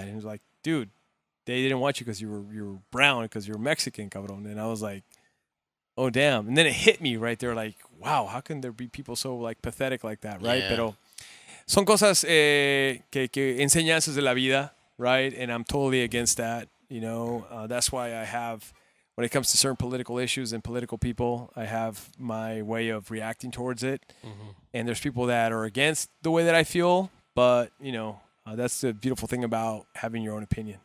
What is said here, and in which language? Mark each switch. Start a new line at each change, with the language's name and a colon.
English: And he was like, dude, they didn't want you because you were brown, because you're Mexican, cabrón. And I was like, oh, damn. And then it hit me right there. Like, wow, how can there be people so like pathetic like that? Right. Yeah.
Spanish: Pero son cosas que enseñanzas de la vida.
English: Right. And I'm totally against that. You know, that's why I have, when it comes to certain political issues and political people, I have my way of reacting towards it. Mm-hmm. And there's people that are against the way that I feel. But, you know, that's the beautiful thing about having your own opinion.